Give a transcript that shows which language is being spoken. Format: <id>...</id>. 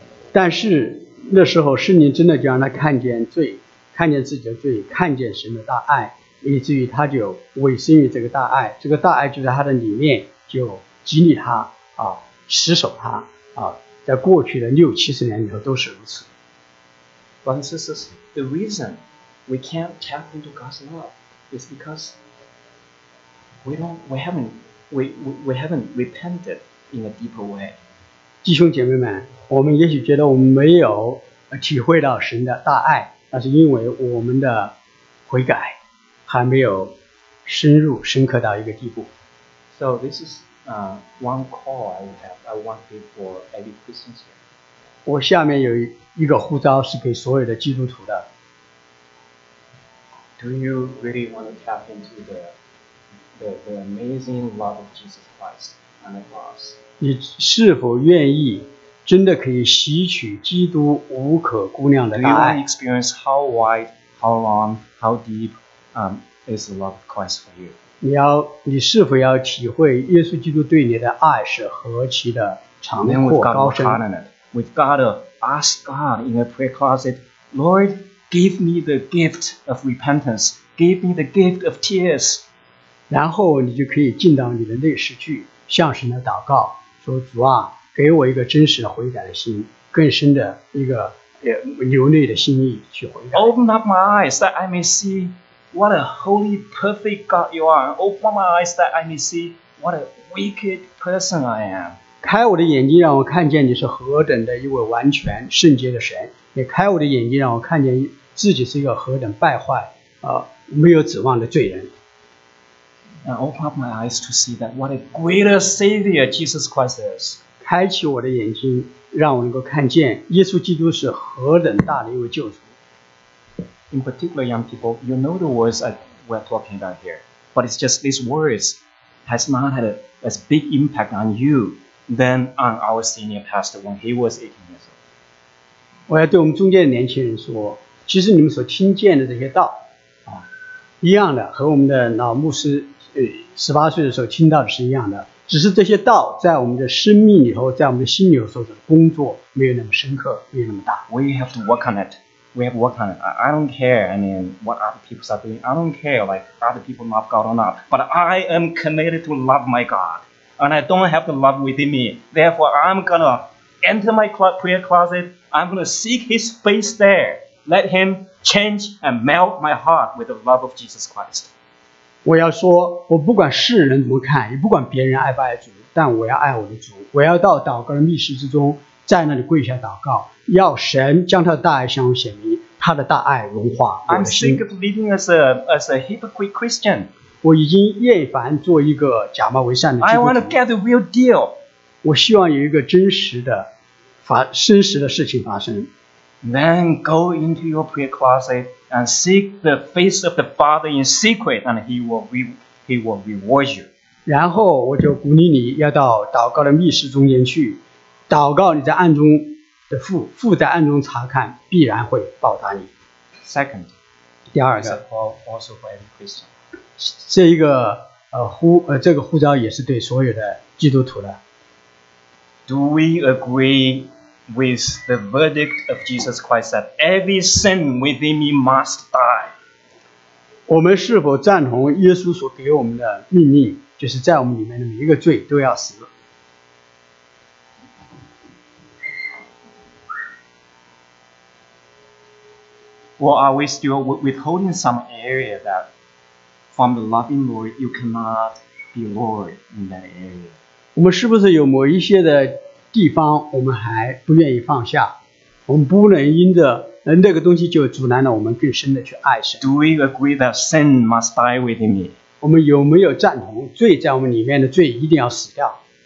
<zh>但是那时候圣灵真的就让他看见罪，看见自己的罪，看见神的大爱，以至于他就委身于这个大爱，这个大爱就在他的里面就激励他持守他在过去的60-70年里头都是如此。</zh> <en>Brothers and sisters, the reason we can't tap into God's love is because we haven't repented in a deeper way.</en> <zh>弟兄姐妹们，我们也许觉得我们没有体会到神的大爱，那是因为我们的悔改还没有深入深刻到一个地步。</zh> <en>So this is one call I would have. I want to give for every Christian here.</en> <zh>我下面有一个呼召是给所有的基督徒的。</zh> <en>Do you really want to tap into the amazing love of Jesus Christ on the cross?</en> <zh>你是否愿意真的可以吸取基督无可估量的大爱？</zh> <en>Do you want to experience how wide, how long, how deep, is the love of Christ for you?</en> <zh>你是否要体会耶稣基督对你的爱是何其的长阔高深？</zh> <en>Then we've got to ask God in a prayer closet, Lord, give me the gift of repentance. Give me the gift of tears.</en> <zh>然后你就可以进到你的内室去，向神来祷告，说主啊，给我一个真实的悔改的心，更深的一个流泪的心意去悔改。</zh> <en>Open up my eyes that I may see what a holy, perfect God you are. Open up my eyes that I may see what a wicked person I am.</en> <zh>开我的眼睛，让我看见你是何等的一位完全圣洁的神。也开我的眼睛，让我看见自己是一个何等败坏、没有指望的罪人。</zh> <en>And open up my eyes to see that what a greater Savior Jesus Christ is.</en> <zh>开启我的眼睛，让我能够看见耶稣基督是何等大的一位救主。</zh> <en>In particular, young people, you know the words that we're talking about here, but it's just these words has not had as big impact on you than on our senior pastor when he was 18 years old.</en> <zh>我要对我们中间的年轻人说，其实你们所听见的这些道啊，一样的，和我们的老牧师18岁的时候听到的是一样的，只是这些道在我们的生命里头，在我们的心里头的工作没有那么深刻，没有那么大。</zh> <en>We have to work on it. We have to work on it. I don't care, I mean, what other people are doing. I don't care, like, other people love God or not. But I am committed to love my God. And I don't have the love within me. Therefore, I'm going to enter my prayer closet. I'm going to seek His face there. Let Him change and melt my heart with the love of Jesus Christ.</en> <zh>我要说，我不管世人怎么看，也不管别人爱不爱主，但我要爱我的主。我要到祷告的密室之中，在那里跪下祷告，要神将他的大爱向我显明，他的大爱融化我的心。</zh> <en>I'm sick of living as a hypocrite Christian.</en> <zh>我已经厌烦做一个假冒为善的基督徒。</zh> <en>I want to get the real deal.</en> <zh>我希望有一个真实的真实的事情发生。</zh> <en>Then go into your prayer closet and seek the face of the Father in secret, and he will reward you.</en> <zh>然后我就鼓励你要到祷告的密室中间去，祷告你在暗中的父在暗中查看，必然会报答你。</zh> <en>Second,</en> <zh>第二个</zh> <en>also for every Christian.</en> <zh>这一个这个呼召也是对所有的基督徒的。</zh> <en>Do we agree with the verdict of Jesus Christ that every sin within me must die?</en> <zh>我们是否赞同耶稣所给我们的命令，就是在我们里面的每一个罪都要死？</zh> <en>Or are we still withholding some area that from the loving Lord you cannot be Lord in that area?</en> <zh>我们是不是有某一些的地方我们还不愿意放下，我们不能因着那个东西就阻拦了我们更深的去爱神。</zh> <en>Do we agree that sin must die within me?</en> <zh>我们有没有赞同罪在我们里面的罪一定要死掉？</zh>